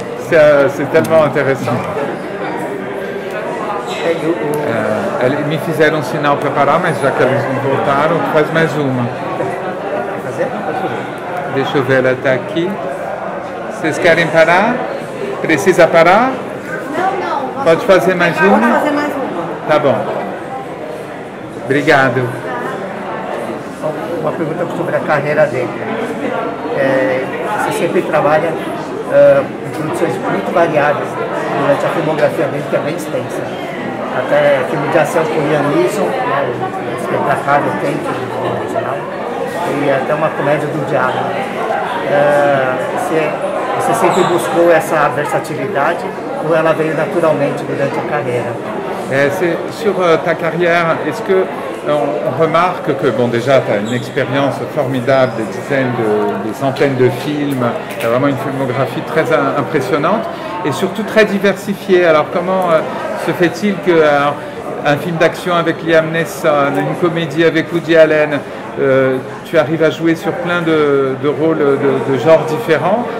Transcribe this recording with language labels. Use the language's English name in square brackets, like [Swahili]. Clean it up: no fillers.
[French] C'est tellement intéressant. [Portuguese] Me fizeram um sinal para parar, mas já que eles não voltaram, faz mais uma. Deixa eu ver, ela está aqui. Vocês querem parar? Precisa parar? Não. Pode fazer mais uma? Pode fazer mais uma. Tá bom. Obrigado. Uma pergunta sobre a carreira dele. Você sempre trabalha em produções muito variadas durante a filmografia dele, que é bem extensa. Até filme de ação com Liam Neeson, né, o espetacular Tempo, original, e até uma comédia do Diabo. Você sempre buscou essa versatilidade ou ela veio naturalmente durante a carreira? [French] C'est sur ta carrière, est-ce qu'on remarque que, bon, déjà, tu as une expérience formidable, des dizaines, des centaines de films, tu as vraiment une filmographie très impressionnante et surtout très diversifiée. Alors, comment se fait-il qu'un film d'action avec Liam Neeson, une comédie avec Woody Allen, tu arrives à jouer sur plein de rôles de genres différents?